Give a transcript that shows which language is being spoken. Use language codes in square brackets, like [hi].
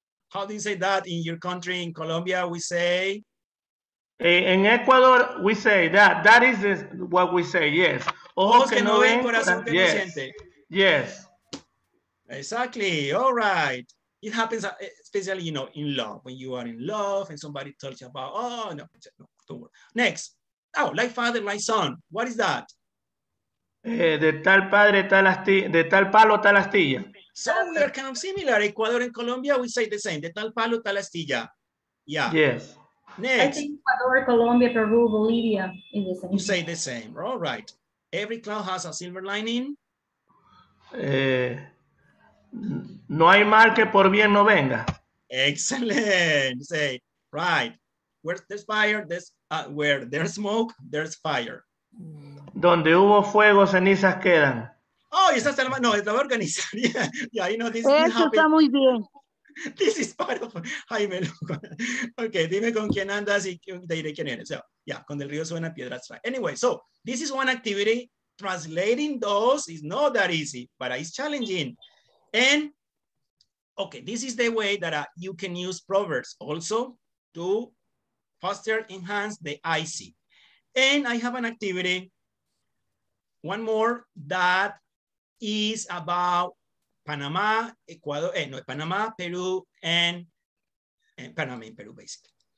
[en] How do you say that in your country, in Colombia, we say? In Ecuador, we say that. That is what we say, yes. [es] Ojos que no ven, corazón que no siente. [en] Yes. Exactly. All right. It happens, especially, you know, in love. When you are in love and somebody tells you about, oh, no, don't worry. Next. Oh, like father, like son. What is that? [es] De tal padre, tal astilla. De tal palo, tal astilla. [en] So we are kind of similar. Ecuador and Colombia, we say the same. [es] De tal palo, tal astilla. [en] Yeah. Yes. Next. I think Ecuador, Colombia, Peru, Bolivia is the same. You say the same. All right. Every cloud has a silver lining. [es] No hay mal que por bien no venga. [en] Excellent. Say, right. Where there's fire, where there's smoke, there's fire. [es] Donde hubo fuego, cenizas quedan. Oh, y esa es la, no, es la organizar. [en] Yeah, you know, this [es] eso está happen. Muy bien. [en] This is part of Jaime Luca. [es] Okay, dime con quién andas y te diré quién eres. [en] So, yeah, [es] con el río suena piedras. [en] Anyway, so this is one activity. Translating those is not that easy, but it's challenging. And Okay, this is the way that you can use proverbs also to foster, enhance the IC. And I have an activity, one more, that is about Panama, Ecuador, Panama, Peru, and Panama in Peru, basically.